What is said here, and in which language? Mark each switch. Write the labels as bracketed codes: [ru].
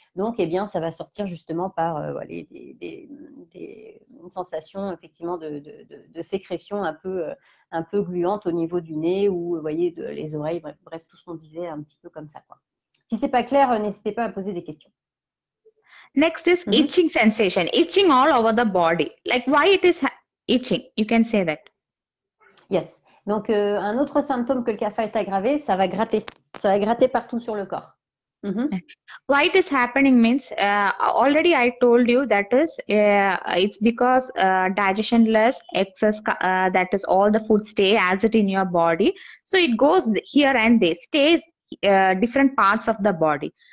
[fr] Donc, eh bien, ça va sortir justement par voilà, une sensation effectivement de sécrétion un peu gluante au niveau du nez ou vous voyez les oreilles. Bref, tout ce qu'on disait un petit peu comme ça, quoi. Si c'est pas clair, n'hésitez pas à poser des questions. [en] Next is itching sensation, itching all over the body. Like why it is itching? You can say that. Yes. [fr] Donc, un autre symptôme que le kapha est aggravé, ça va gratter. Ça va gratter partout sur le corps. [en] Why it is happening means already I told you that is it's because digestionless excess that is all the food stay as it in your body, so it goes here and there, stays different parts of the body.